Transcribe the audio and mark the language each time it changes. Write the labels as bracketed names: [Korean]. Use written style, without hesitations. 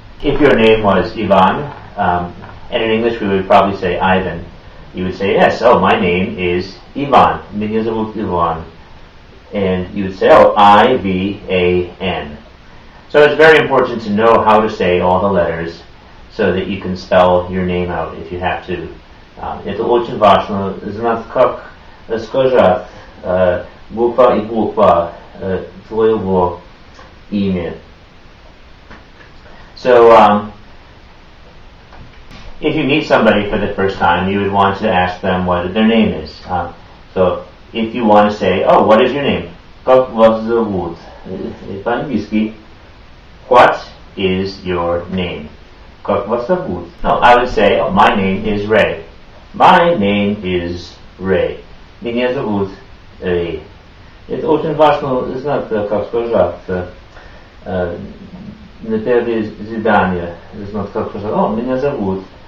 [English] If your name was Ivan, and in English we would probably say Ivan, you would say, yes, oh, my name is Ivan. [Russian] Меня зовут Иван. [English] And you would say, oh, I-V-A-N. So it's very important to know how to say all the letters so that you can spell your name out if you have to. [Russian] Это очень важно знать, как сказать буква и буква твоего имя. [English] So, if you meet somebody for the first time, you would want to ask them what their name is. So, if you want to say, oh, what is your name? [Russian] Как вас зовут? По-английски, [English] what is your name? [Russian] Как вас зовут? [English] No, I would say, oh, my name is Ray. My name is Ray. [Russian] Меня зовут [English] Ray. [Russian] Это очень важно знать, как сказать на первое задание. Знать, как сказать, о, меня зовут